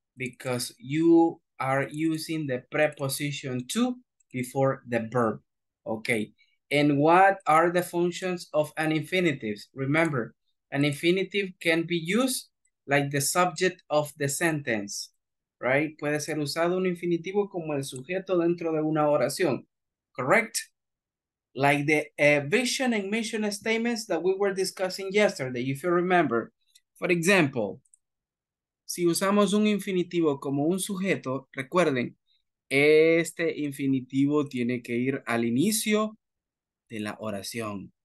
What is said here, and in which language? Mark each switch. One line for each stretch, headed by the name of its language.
English: Because you are using the preposition to before the verb, okay? And what are the functions of an infinitive? Remember, an infinitive can be used like the subject of the sentence. Right?
Spanish: Puede ser usado un infinitivo como el sujeto dentro de una oración.
English: Correct? Like the vision and mission statements that we were discussing yesterday, if you remember. For example,
Spanish: si usamos un infinitivo como un sujeto, recuerden, este infinitivo tiene que ir al inicio de la oración.